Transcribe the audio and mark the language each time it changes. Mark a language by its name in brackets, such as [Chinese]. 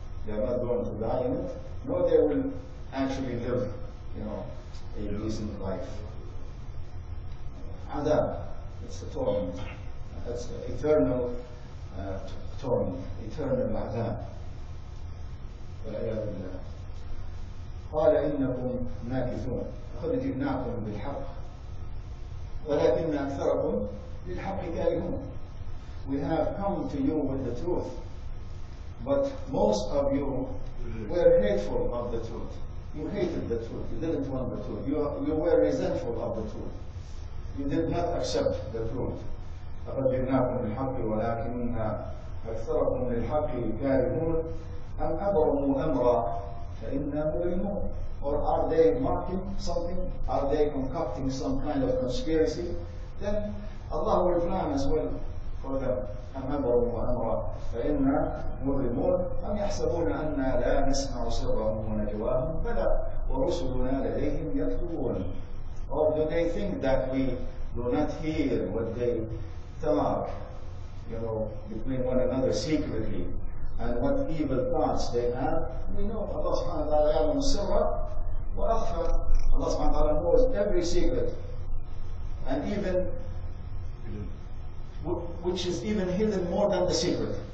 [English] They are not going to die in it, nor they will actually live, a decent life. عذاب, it's a torment. It's an eternal torment, eternal عذاب. [Arabic] والعياذ بالله. قال إنكم ماكثون. لقد جئناكم بالحق. ولكن أكثركم للحق قائلون. [English] We have come to you with the truth, but most of you were hateful of the truth. You hated the truth. You didn't want the truth. You were resentful of the truth. You did not accept the truth. [Arabic] لقد جئناكم بالحق ولكن أكثركم للحق كارهون أم أبرموا أمرا فإنا مبرمون. [English] Or are they marking something? Are they concocting some kind of conspiracy? Then Allah will plan as well for them. [Arabic] أم أبرموا أمرا فإنا مبرمون أم يحسبون أنا لا نسمع سرهم ونجواهم بلى ورسلنا لديهم يكتبون. [English] Or do they think that we do not hear what they talk, you know, between one another secretly, and what evil thoughts they have? We know Allah subhanahu wa ta'ala is sirra wa akhfa. Allah subhanahu wa ta'ala knows every secret, and even which is even hidden more than the secret.